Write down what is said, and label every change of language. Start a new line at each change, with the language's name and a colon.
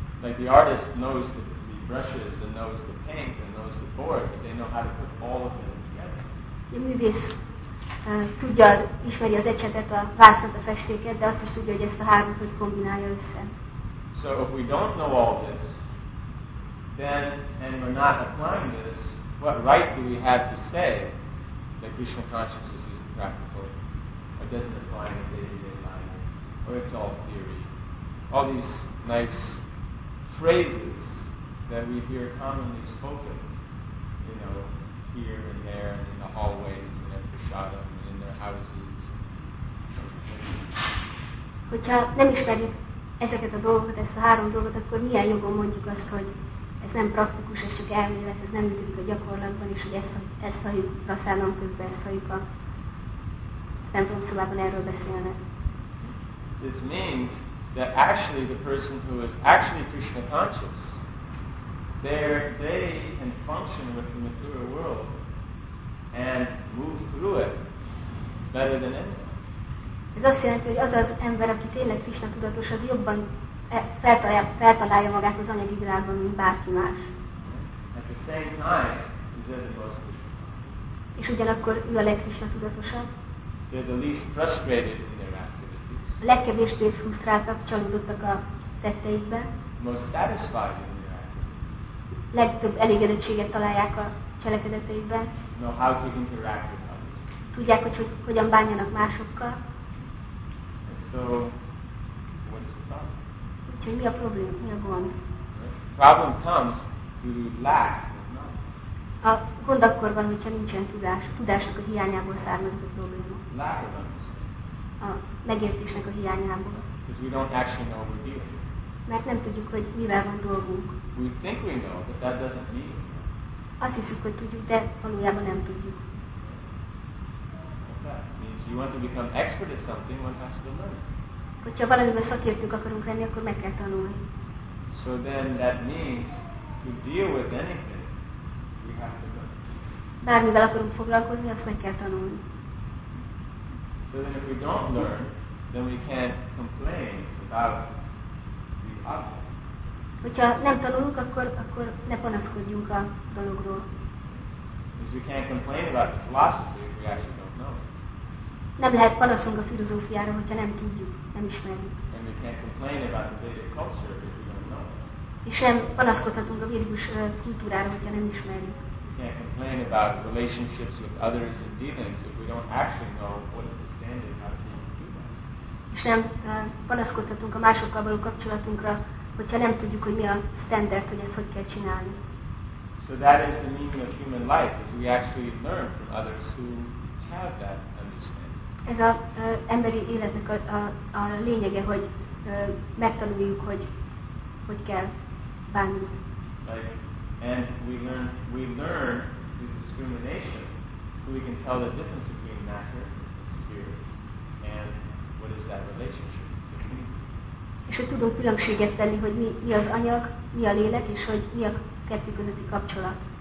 English: Like the artist knows the brushes and knows the paint and knows the board, but they know how to put all of them together.
Hungarian: A művész tudja, ismeri az ecsetet, a vásznat, a festéket, de azt is tudja, hogy ezt a hármat hogy kombinálja össze.
English: So if we don't know all this, then and we're not applying this, what right do we have to say that Krishna consciousness is practical? Doesn't apply in day-to-day life, or it's all theory. All these nice phrases that we hear commonly spoken, you know, here and there, and in the hallways, and at the shadow, and in their houses.
Hungarian: Hogyha nem ismerjük ezeket a dolgokat, ezt a három dolgot, akkor milyen jogon mondjuk azt, hogy ez nem praktikus, ez csak elmélet, ez nem működik a gyakorlatban, és hogy ezt halljuk praszánom közben, ezt halljuk a templomszobában erről beszélnek.
English: This means that actually the person who is actually Krishna conscious, they can function with the material world and move through it better than anyone.
Hungarian: Ez azt jelenti, hogy az az ember, aki tényleg Krishna tudatos, az jobban feltalálja magát az anyagi világban, mint bárki más.
English: At the same time, he's at the most Krishna.
Hungarian: És ugyanakkor ő a legkrishna tudatosabb.
English: They're the least frustrated in their activities.
Hungarian: Legkevésbé frusztráltak, csalódottak a tetteikben.
English: Most satisfied in their activities.
Hungarian: Legtöbb elégedettséget találják a cselekedeteiben.
English: Know how to interact with others.
Hungarian: Tudják, hogy hogyan bánjanak másokkal.
English: And so, what is the problem?
Hungarian: Úgyhogy mi a probléma? Mi a gond?
English: The problem comes through lack of knowledge.
Hungarian: A gond akkor van, hogyha nincsen tudás. Tudásnak a hiányából származik a probléma.
English: Lack of understanding.
Hungarian: A megértésnek a hiányából.
English: Because we don't actually know what we're dealing.
Hungarian: Mert nem tudjuk, hogy mivel van dolgunk.
English: We think we know, but that doesn't mean.
Hungarian: Azt hiszük, hogy tudjuk, de valójában nem tudjuk.
English: You want to become expert at something, one has to learn.
Hungarian: Hogyha valamiben szakértők akarunk lenni, akkor meg kell tanulni.
English: So then that means to deal with anything, we have to learn.
Hungarian: Bármivel akarunk foglalkozni, azt meg kell tanulni.
English: So then if we don't learn, then we can't complain about the other.
Hungarian: Hogyha nem tanulunk, akkor ne panaszkodjunk a dologról.
English: Because we can't complain about the philosophy if we actually don't know.
Hungarian: Nem lehet panaszunk a filozófiára, hogyha nem tudjuk, nem ismerjük.
English: And we can't complain about the Vedic culture if we don't know.
Hungarian: És sem panaszkodhatunk a védikus kultúrára, hogyha nem ismerjük.
English: We can't complain about relationships with others and demons if we don't actually know what is the standard and how to do that.
Hungarian: És nem panaszkodhatunk a másokkal való kapcsolatunkra, hogyha nem tudjuk, hogy mi a standard, hogy ezt hogy kell csinálni.
English: So that is the meaning of human life, is we actually learn from others who have that understanding.
Hungarian: Ez az emberi életnek a lényege, hogy megtanuljuk, hogy kell bánni.
English: Like, and we learn the discrimination, so we can tell the difference between matter and spirit, and what is that relationship.
Hungarian: És hogy tudunk különbséget tenni, hogy mi az anyag, mi a lélek, és hogy mi a kettő közötti kapcsolat.